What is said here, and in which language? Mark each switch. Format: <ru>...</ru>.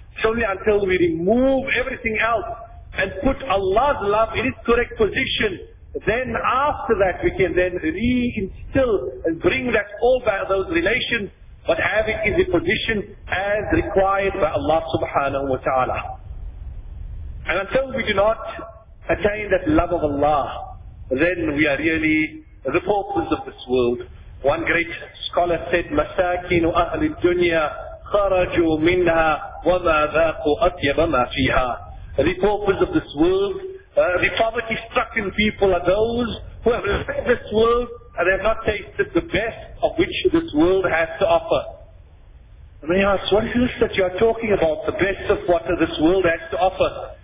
<en>It's only until we remove everything else and put Allah's love in its correct position, then after that we can then reinstill and bring that all back, those relations, but have it in the position as required by Allah subhanahu wa ta'ala. And until we do not attain that love of Allah, then we are really the paupers of this world. One great scholar said,</en> <ar>مساكين أهل الدنيا خرجوا منها وما ذاقوا أطيب ما فيها.</ar> <en>The paupers of this world, the poverty-stricken people are those who have left this world and have not tasted the best of which this world has to offer. And they ask, what is this that you are talking about, the best of what this world has to offer?</en>